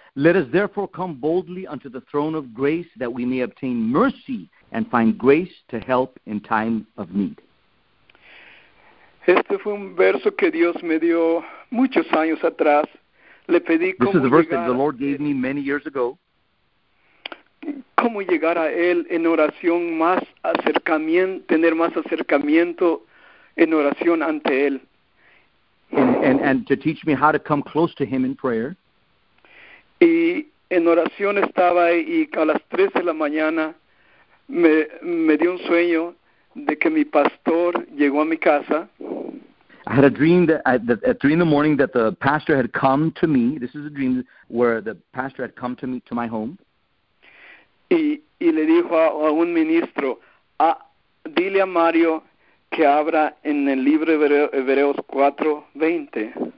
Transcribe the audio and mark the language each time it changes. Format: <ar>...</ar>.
<en>Let us therefore come boldly unto the throne of grace, that we may obtain mercy and find grace to help in time of need.</en> <es>Este fue un verso que Dios me dio muchos años atrás. Le pedí cómo llegar.</es> <en>This is a verse that the Lord gave me many years ago.</en> <es>Cómo llegar a él en oración, más acercamiento, tener más acercamiento en oración ante él.</es> <en>And to teach me how to come close to him in prayer.</en> <es>Y en oración estaba y a las 3 de la mañana me dio un sueño de que mi pastor llegó a mi casa.</es> <en>I had a dream that at 3 in the morning that the pastor had come to me. This is a dream where the pastor had come to me to my home.</en> <es>Y le dijo a un ministro, dile a Mario que abra en el libro de Hebreos 4:20.</es>